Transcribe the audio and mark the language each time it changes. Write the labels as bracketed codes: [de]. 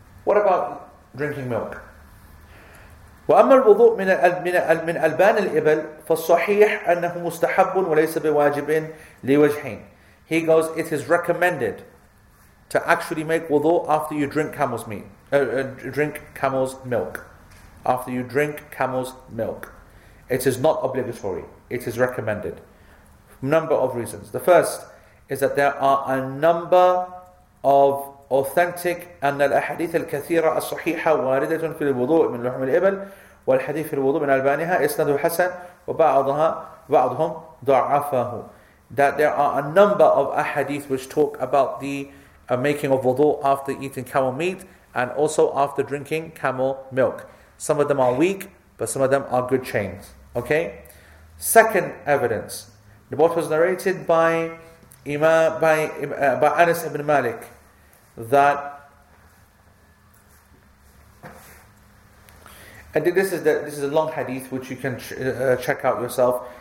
[en] What about drinking milk? [ar] وَأَمَّا الْوُضُوءُ مِنْ أَلْبَانِ الْإِبَلِ فَالصَّحِيحُ أَنَّهُ مُسْتَحَبٌّ وَلَيْسَ بِوَاجِبٍ لِوَجْهَيْنِ. [en] He goes, it is recommended to actually make wudu after you drink camel's meat, After you drink camel's milk. It is not obligatory. It is recommended. Number of reasons. The first is that there are a number of authentic [ar] أن الأحاديث الكثيرة الصحيحة واردة في الوضوء من لحم الإبل والحديث في الوضوء من ألبانها إسناده حسن وبعضها بعضهم ضعفه. [en] That there are a number of ahadith which talk about the making of wudu after eating camel meat and also after drinking camel milk. Some of them are weak, but some of them are good chains. Okay. Second evidence, what was narrated by by Anas ibn Malik, that, and this is a long hadith which you can check out yourself.